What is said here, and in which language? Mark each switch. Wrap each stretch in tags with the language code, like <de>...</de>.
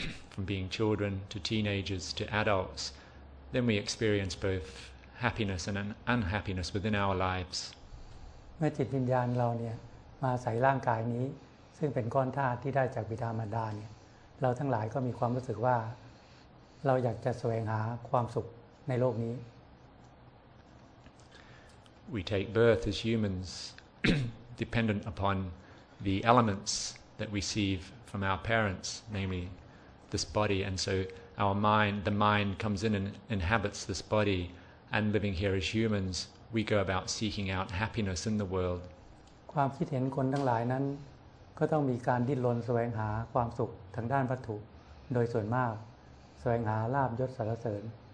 <en>From being children to teenagers to adults, then we experience both happiness and unhappiness within our lives.</en> <th>เมื่อจิตวิญญาณเราเนี่ยมาใส่ร่างกายนี้ซึ่งเป็นก้อนธาตุที่ได้จากบิดามารดาเนี่ยเราทั้งหลายก็มีความรู้สึกว่าเราอยากจะแสวงหาความสุขในโลกนี้</th> <en>We take birth as humans, dependent upon the elements that we receive from our parents, namely. This body, and so our mind, the mind comes in and inhabits this body. And living here as humans, we go about seeking out happiness in the world.</en> <th>ความคิดเห็นคนทั้งหลายนั้นก็ต้องมีการดิ้นรนแสวงหาความสุขทางด้านวัตถุโดยส่วนมากแสวงหาลาภยศสรรเสริญ</th>